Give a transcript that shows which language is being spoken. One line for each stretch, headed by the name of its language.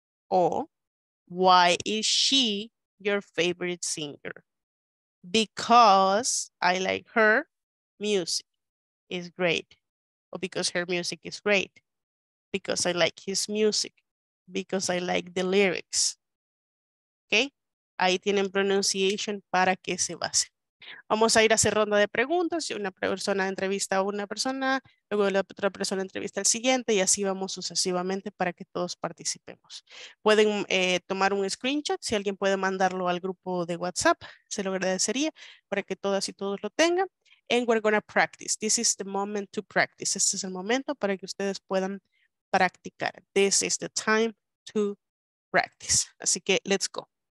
English: Or, why is she your favorite singer? Because I like her music is great. Or because her music is great. Because I like his music, because I like the lyrics.
Spanish: Okay, ahí tienen pronunciation para que se base. Vamos a ir a hacer ronda de preguntas. Una persona entrevista a una persona, luego la otra persona entrevista al siguiente y así vamos sucesivamente para que todos participemos. Pueden tomar un screenshot, si alguien puede mandarlo al grupo de WhatsApp, se lo agradecería para que todas y todos lo tengan.
English: And we're gonna practice. This is the moment to practice.
Spanish: Este es el momento para que ustedes puedan practicar.
English: This is the time to practice.
Spanish: Así que
English: let's go.